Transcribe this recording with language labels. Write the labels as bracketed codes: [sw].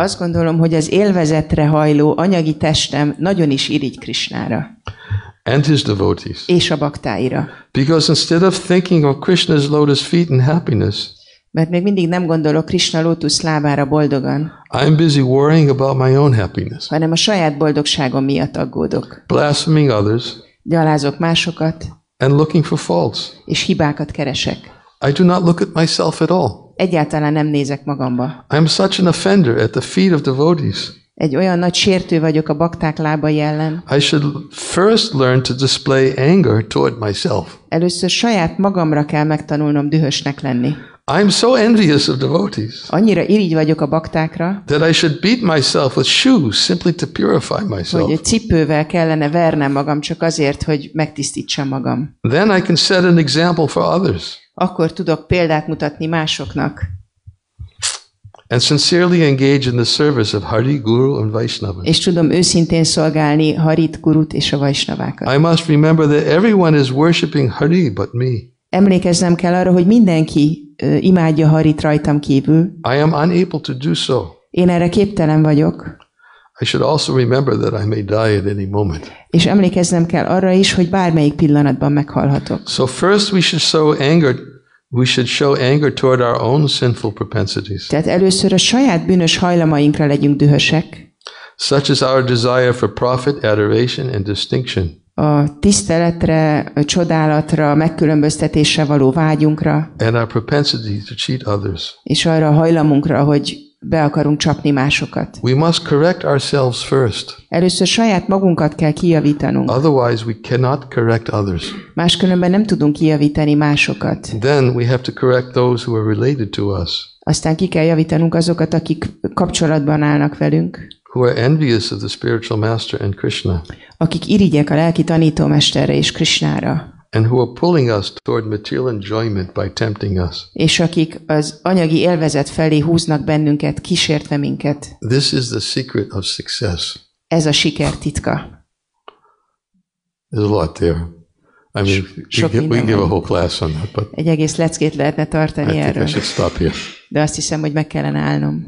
[hu] Azt gondolom, hogy az élvezetre hajló anyagi testem nagyon is irigy Krishnára. [en] And his devotees. [hu] És a baktáira. [en] Because instead of thinking of Krishna's lotus feet and happiness. [hu] Mert még mindig nem gondolok Krishna lótusz lábára boldogan. [en] I'm busy worrying about my own happiness. [hu] Hanem a saját boldogságom miatt aggódok. [en] Blaspheming others. [hu] Gyalázok másokat. [en] And looking for faults. [hu] És hibákat keresek. [en] I do not look at myself at all. [hu] Egyáltalán nem nézek magamba. [en] I'm such an offender at the feet of devotees. [hu] Egy olyan nagy sértő vagyok a bakták lábai ellen. [en] I should first learn to display anger toward myself. [hu] Először saját magamra kell megtanulnom dühösnek lenni. [en] I'm so envious of devotees. [hu] Annyira irigy vagyok a baktákra. [en] That I should beat myself with shoes simply to purify myself. [hu] Hogy egy cipővel kellene vernem magam csak azért, hogy megtisztítsam magam. [en] Then I can set an example for others. [hu] Akkor tudok példát mutatni másoknak. [en] And sincerely engage in the service of Hari, Guru and Vaishnava. [hu] És tudom őszintén szolgálni Harit, Gurut és a Vaishnavákat. [en] I must remember that everyone is worshiping Hari but me. [hu] Emlékeznem kell arra, hogy mindenki imádja Harit rajtam kívül. [en] I am unable to do so. [hu] Én erre képtelen vagyok. [en] I should also remember that I may die at any moment. [hu] És emlékeznem kell arra is, hogy bármelyik pillanatban meghalhatok. [en] So first we should show anger toward our own sinful propensities. [hu] Tehát először a saját bűnös hajlamainkra legyünk dühösek. [en] Such is our desire for profit, adoration and distinction. [hu] A tiszteletre, a csodálatra, a megkülönböztetésre való vágyunkra. [en] And our propensity to cheat others. [hu] És arra a hajlamunkra, hogy be akarunk csapni másokat. [en] We must correct ourselves first. [hu] Először saját magunkat kell kijavítanunk. [en] Otherwise we cannot correct others. [hu] Máskülönben nem tudunk kijavítani másokat. [en] Then we have to correct those who are related to us. [hu] Aztán ki kell javítanunk azokat, akik kapcsolatban állnak velünk. [en] Who are envious of the spiritual master and Krishna. [hu] Akik irigyek a lelki tanítómesterre és Krishnára. [en] And who are pulling us toward material enjoyment by tempting us. [hu] És akik az anyagi élvezet felé húznak bennünket, kísértve minket. [en] This is the secret of success. [hu] Ez a siker titka. [en] There's a lot there. I mean, we give a whole class on that. But [hu] egy egész leckét lehetne tartani erről. [en] I think I should stop here. [hu] De azt hiszem, hogy meg kellene állnom.